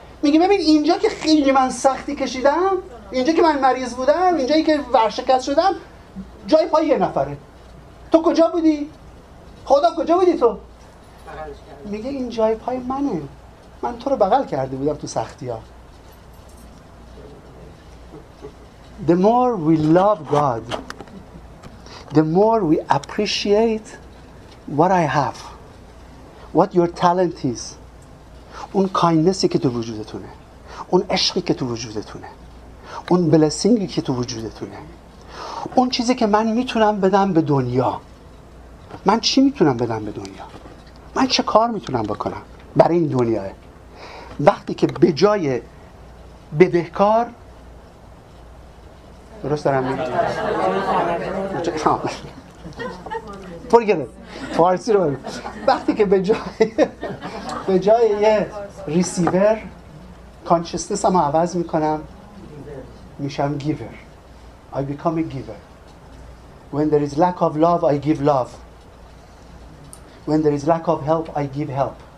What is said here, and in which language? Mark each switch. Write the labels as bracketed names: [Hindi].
[Persian] میگه ببین اینجا که خیلی من سختی کشیدم، اینجا که من مریض بودم، اینجا که ورشکست شدم، جای پای یه نفره. تو کجا بودی؟ خدا کجا بودی تو؟ میگه این جای پای منه، من تو رو بغل کرده بودم تو سختی ها. [English] The more we love God, the more we appreciate what I have, what your talent is. [Persian] اون kindnessی که تو وجودتونه، اون عشقی که تو وجودتونه، اون blessingی که تو وجودتونه، اون چیزی که من میتونم بدم به دنیا. من چی میتونم بدم به دنیا؟ من چه کار میتونم بکنم؟ برای این دنیاه. وقتی که به جای بدهکار درست دارم میگم فارسی رو بگم، وقتی که به جای یه [English] receiver consciousness [Persian] هم عوض میکنم میشم گیور. [English] I become a giver. When there is lack of love, I give love. When there is lack of help, I give help.